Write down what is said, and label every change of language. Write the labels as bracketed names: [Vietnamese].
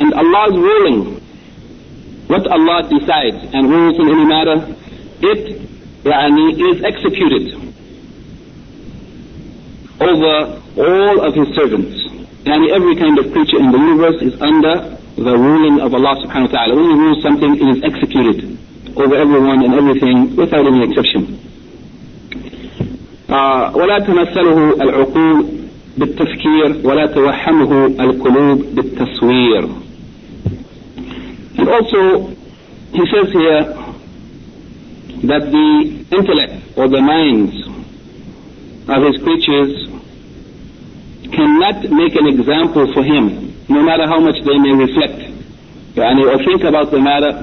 [English] And Allah's ruling, what Allah decides and rules in any matter, it يعني is executed over all of his servants. يعني every kind of creature in the universe is under the ruling of Allah subhanahu wa ta'ala. When he rules something, it is executed over everyone and everything without any exception. [Arabic] ولا تمثله العقول بالتفكير ولا توهمه القلوب بالتصوير. [English] And also he says here that the intellect or the minds of his creatures cannot make an example for him, no matter how much they may reflect or think about the matter.